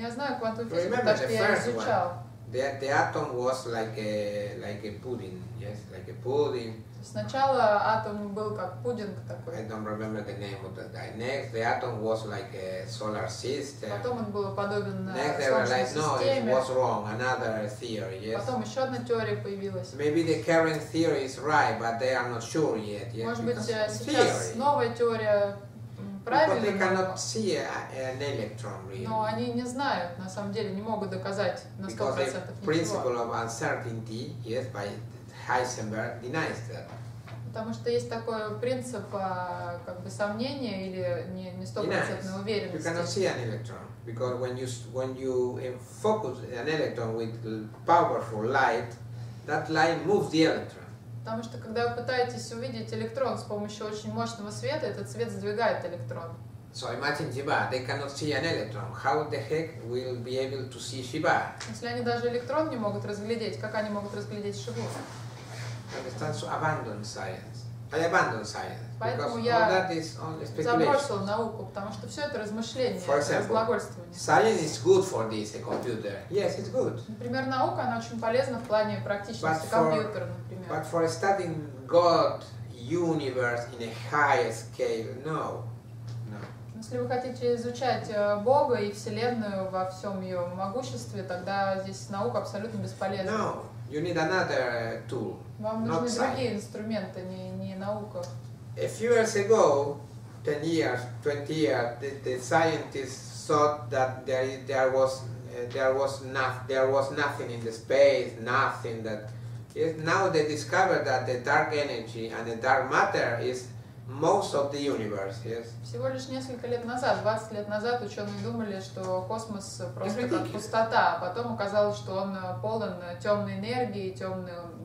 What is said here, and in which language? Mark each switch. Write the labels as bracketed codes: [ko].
[ru] Я знаю квантовую физику, потому что я изучал. [en] The atom was like a pudding, yes, like a pudding. [ru] Сначала атом был как пудинг такой. [en] I don't remember the name of the guy. Next, the atom was like a solar system. [ru] Потом он был подобен [en] Next, [ru] Солнечной системе. [en] Next, no, it was wrong. Another theory, yes. [ru] Потом еще одна теория появилась. [en] Maybe the current theory is right, but they are not sure yet. Yes, [ru] может быть, сейчас [en] theory. [ru] Новая теория правильная. [en] Because they cannot see an electron, really. [ru] Но они не знают, на самом деле, не могут доказать на 100% ничего. [en] Because the principle of uncertainty, yes, by Heisenberg denies that. [ru] Потому что есть такой принцип как бы сомнения или не 100% уверенности. [en] You cannot see an electron because when you focus an electron with powerful light, that light moves the electron. [ru] Потому что когда вы пытаетесь увидеть электрон с помощью очень мощного света, этот свет сдвигает электрон. [en] So imagine Shiva, they cannot see an electron. How the heck will be able to see Shiva? [ru] Если они даже электрон не могут разглядеть, как они могут разглядеть Шиву? [en] Understand? So abandon science. I abandon science. [ru] Поэтому [en] because [ru] я забросил науку, потому что все это размышления, разглагольствования. [en] Science is good for this, a computer. Yes, it's good. [ru] Например, наука, она очень полезна в плане практичности компьютера, например. [en] But for studying God, universe in a higher scale, no. [ru] Если вы хотите изучать Бога и Вселенную во всем ее могуществе, тогда здесь наука абсолютно бесполезна. [en] No, you need another tool. [ru] Вам нужны [en] not [ru] другие [en] science. [ru] Инструменты, не наука. [en] A few years ago, 10 years, 20 years, the scientists thought that there was nothing in the space, nothing that. Yes, now they discovered that the dark energy and the dark matter is most of the universe, yes. [ru] Всего лишь несколько лет назад, 20 лет назад, ученые думали, что космос просто как пустота, а потом оказалось, что он полон темной энергии, темной